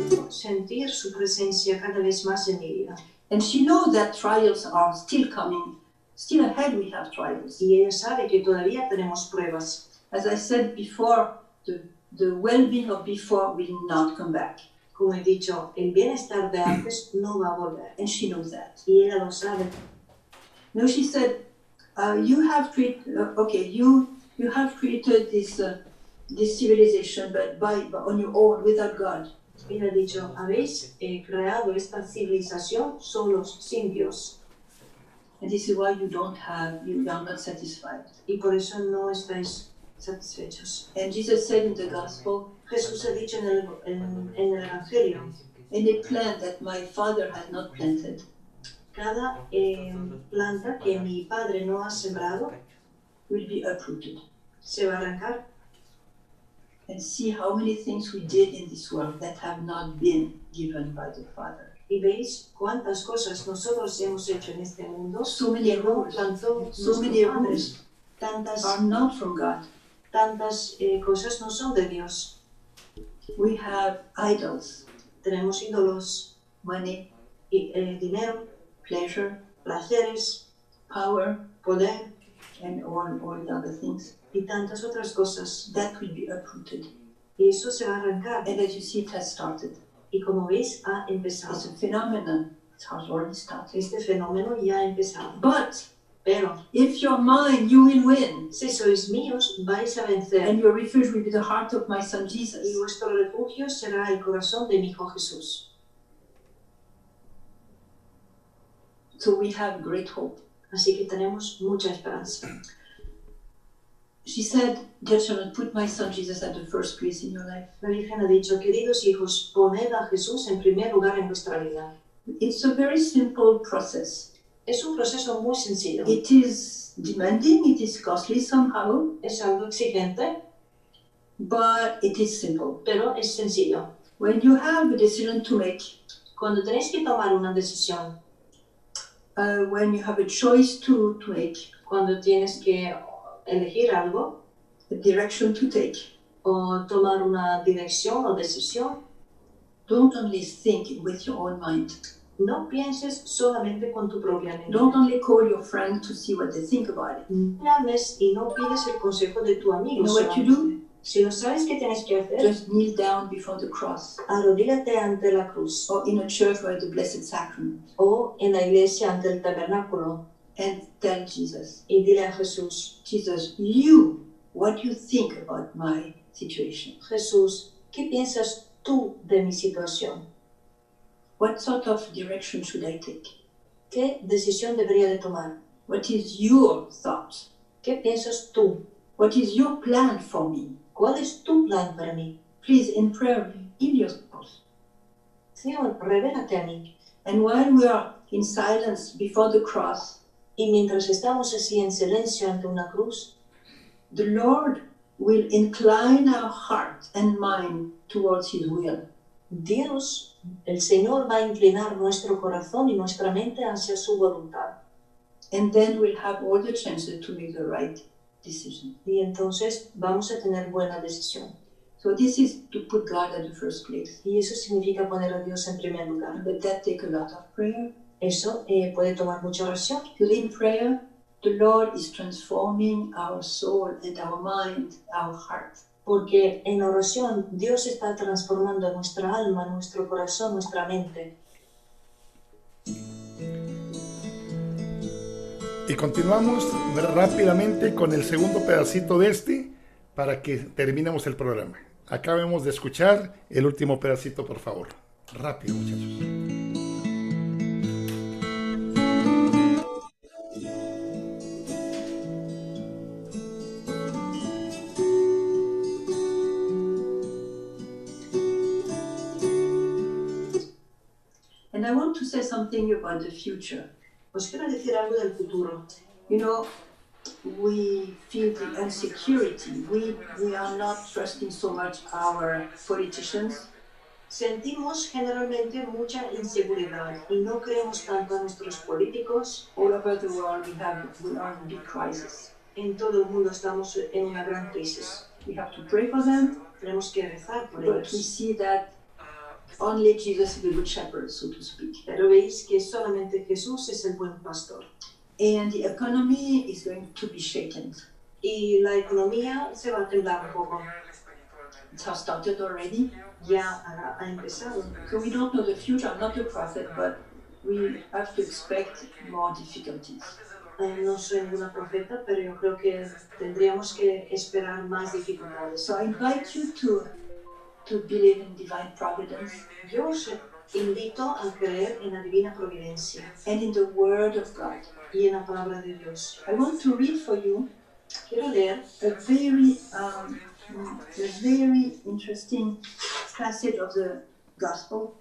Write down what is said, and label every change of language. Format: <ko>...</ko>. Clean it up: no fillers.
<es>Sentir su presencia cada vez más en mi vida.</es> <en>And she knows that trials are still coming. Still ahead we have trials.</en> <es>Y ella sabe que todavía tenemos pruebas.</es> <en>As I said before, the well-being of before will not come back.</en> <es>Como he dicho, el bienestar de antes no va a volver.</es> <en>And she knows that.</en> <es>Y ella lo sabe.</es> <en>No, she said, you have created this civilization, but by on your own, without God.</en> <es>Y ella ha dicho, habéis creado esta civilización solos, sin Dios.</es> <en>And this is why you are not satisfied.</en> <es>Y por eso no estáis satisfechos.</es> <en>And Jesus said in the gospel,</en> <es>Jesús ha dicho en el evangelio,</es> <en>any plant that my father had not planted,</en> <es>cada planta que mi padre no ha sembrado,</es> <en>will be uprooted.</en> <es>Se va a arrancar.</es> <en>And see how many things we did in this world that have not been given by the Father.</en> <es>Y veis cuántas cosas nosotros hemos hecho en este mundo.</es> <en>So many errors. So many errors.</en> <es>Tantas</es> <en>are not from God.</en> <es>Tantas cosas no son de Dios.</es> <en>We have idols.</en> <es>Tenemos ídolos.</es> <en>Money, dinero, pleasure, placeres, power, poder, and all the other things.</en> <es>Y tantas otras cosas.</es> <en>That will be uprooted.</en> <es>Y eso se va a arrancar.</es> <en>And as you see, it has started.</en> <es>Y como veis, ha empezado.</es> <en>It's a phenomenon. It has already started.</en> <es>Este fenómeno ya ha empezado.</es> <en>But,</en> <es>pero,</es> <en>if you're mine, you will win.</en> <es>Si sois míos, vais a vencer.</es> <en>And your refuge will be the heart of my son Jesus.</en> <es>Y vuestro refugio será el corazón de mi hijo Jesús.</es> <en>So we have great hope.</en> <es>Así que tenemos mucha esperanza.</es> <en>She said, dear children, put my son Jesus at the first place in your life.</en> <es>La Virgen ha dicho, queridos hijos, poned a Jesús en primer lugar en vuestra vida.</es> <en>It's a very simple process.</en> <es>Es un proceso muy sencillo.</es> <en>It is demanding, it is costly somehow.</en> <es>Es algo exigente.</es> <en>But it is simple.</en> <es>Pero es sencillo.</es> <en>When you have a decision to make.</en> <es>Cuando tenéis que tomar una decisión.</es> <en>When you have a choice to make.</en> <es>Cuando tienes que elegir algo.</es> <en>A direction to take.</en> <es>O tomar una dirección o decisión.</es> <en>Don't only think with your own mind.</en> <es>No pienses solamente con tu propia mente.</es> <en>Don't only call your friend to see what they think about it.</en> <es>No llames y no pides el consejo de tu amigo.</es> <en>You know what you do?</en> <es>Si no sabes qué tienes que hacer.</es> <en>Just kneel down before the cross.</en> <es>Arrodílate ante la cruz.</es> <en>Or in a church where the Blessed Sacrament.</en> <es>O en la iglesia ante el tabernáculo.</es> <en>And tell Jesus.</en> <es>Y dile a Jesús.</es> <en>Jesus, you, what you think about my situation?</en> <es>Jesús, ¿qué piensas tú de mi situación?</es> <en>What sort of direction should I take?</en> <es>¿Qué decisión debería de tomar?</es> <en>What is your thought?</en> <es>¿Qué piensas tú?</es> <en>What is your plan for me?</en> <es>¿Cuál es tu plan para mí?</es> <en>Please, in prayer, heal yourself.</en> <es>Señor, revélate a mí.</es> <en>And while we are in silence before the cross,</en> <es>y mientras estamos así en silencio ante una cruz,</es> <en>the Lord will incline our heart and mind towards His will.</en> <es>Dios, el Señor va a inclinar nuestro corazón y nuestra mente hacia su voluntad.</es> <en>And then we'll have all the chances to make the right decision.</en> <es>Y entonces vamos a tener buena decisión.</es> <en>So this is to put God at the first place.</en> <es>Y eso significa poner a Dios en primer lugar.</es> <en>But that takes a lot of prayer.</en> <es>Eso puede tomar mucha oración.</es> <en>Because in prayer, the Lord is transforming our soul and our mind, our heart.</en> <es>Porque en oración Dios está transformando nuestra alma, nuestro corazón, nuestra mente. Y continuamos rápidamente con el segundo pedacito de este para que terminemos el programa. Acabemos de escuchar el último pedacito, por favor. Rápido, muchachos.</es> <en>And I want to say something about the future.</en> <es>Os quiero decir algo del futuro.</es> <en>You know, we feel the insecurity. We are not trusting so much our politicians.</en> <es>Sentimos generalmente mucha inseguridad y no creemos tanto en nuestros políticos.</es> <en>All over the world we are in a big crisis.</en> <es>En todo el mundo estamos en una gran crisis.</es> <en>We have to pray for them.</en> <es>Tenemos que rezar por</es> <en>but</en> <es>ellos.</es> <en>But we see that only Jesus is the good shepherd, so to speak.</en> <es>Pero veis que solamente Jesús es el buen pastor.</es> <en>And the economy is going to be shaken.</en> <es>Y la economía se va a temblar un poco.</es> <en>It has started already.</en> <es>Ya ha empezado.</es> <en>So we don't know the future, I'm not a prophet, but we have to expect more difficulties.</en> <es>No soy ninguna profeta, pero yo creo que tendríamos que esperar más dificultades.</es> <en>So I invite you to believe in divine providence.</en> <es>Yo os invito a creer en la divina providencia.</es> <en>And in the word of God.</en> <es>Y en la palabra de Dios.</es> <en>I want to read for you.</en> <es>Quiero leer</es> <en>a very interesting passage of the gospel.</en>